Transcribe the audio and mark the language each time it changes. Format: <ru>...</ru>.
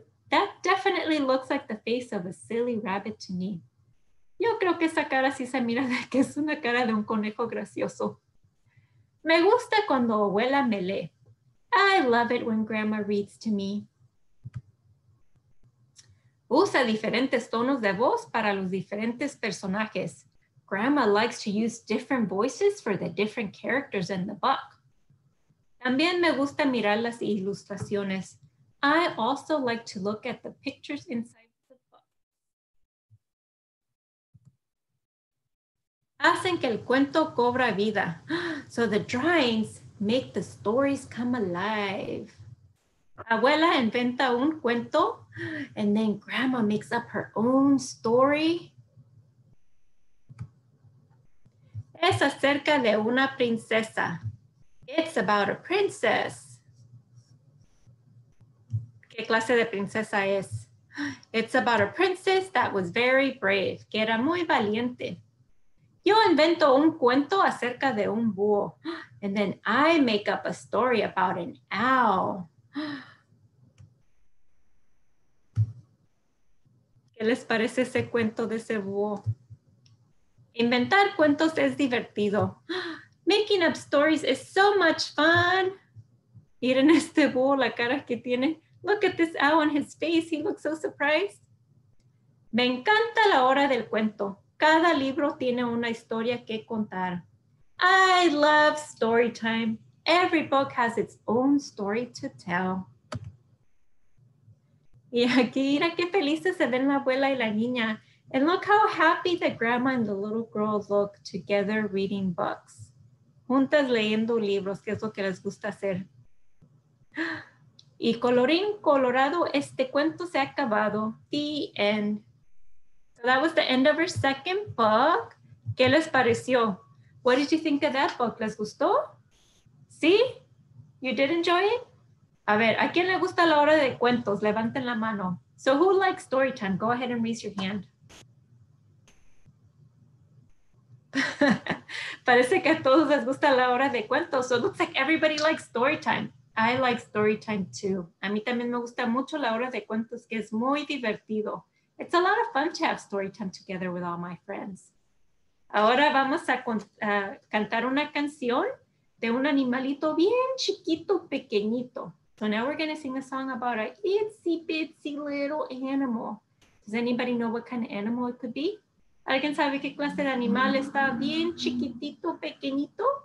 <en>That definitely looks like the face of a silly rabbit to me.</en> <es>Yo creo que esa cara sí se mira de que es una cara de un conejo gracioso. Me gusta cuando abuela me lee.</es> <en>I love it when grandma reads to me.</en> <es>Usa diferentes tonos de voz para los diferentes personajes.</es> <en>Grandma likes to use different voices for the different characters in the book.</en> <es>También me gusta mirar las ilustraciones.</es> <en>I also like to look at the pictures inside the book.</en> <es>Hacen que el cuento cobra vida.</es> <en>So the drawings make the stories come alive.</en> <es>Abuela inventa un cuento,</es> <en>and then grandma makes up her own story.</en> <es>Es acerca de una princesa.</es> <en>It's about a princess.</en> <es>¿Qué clase de princesa es?</es> <en>It's about a princess that was very brave,</en> <es>que era muy valiente. Yo invento un cuento acerca de un búho.</es> <en>And then I make up a story about an owl.</en> <es>¿Qué les parece ese cuento de ese búho? Inventar cuentos es divertido.</es> <en>Making up stories is so much fun.</en> <es>Miren este búho, la cara que tiene.</es> <en>Look at this owl on his face. He looks so surprised.</en> <es>Me encanta la hora del cuento. Cada libro tiene una historia que contar.</es> <en>I love story time. Every book has its own story to tell.</en> <es>Y aquí, mira qué felices se ven la abuela y la niña.</es> <en>And look how happy the grandma and the little girl look together reading books.</en> <es>Juntas leyendo libros, que es lo que les gusta hacer. Y colorín colorado, este cuento se ha acabado.</es> <en>The end. So that was the end of her second book.</en> <es>¿Qué les pareció?</es> <en>What did you think of that book?</en> <es>¿Les gustó? ¿Sí?</es> <en>You did enjoy it?</en> <es>A ver, ¿a quién le gusta la hora de cuentos? Levanten la mano.</es> <en>So who likes story time? Go ahead and raise your hand.</en> <es>Parece que a todos les gusta la hora de cuentos.</es> <en>So it looks like everybody likes story time. I like story time too.</en> <es>A mí también me gusta mucho la hora de cuentos, que es muy divertido.</es> <en>It's a lot of fun to have story time together with all my friends.</en> <es>Ahora vamos a cantar una canción de un animalito bien chiquito, pequeñito.</es> <en>So now we're going to sing a song about an itsy bitsy little animal. Does anybody know what kind of animal it could be?</en> <es>¿Alguien sabe qué clase de animal está bien chiquitito, pequeñito?</es>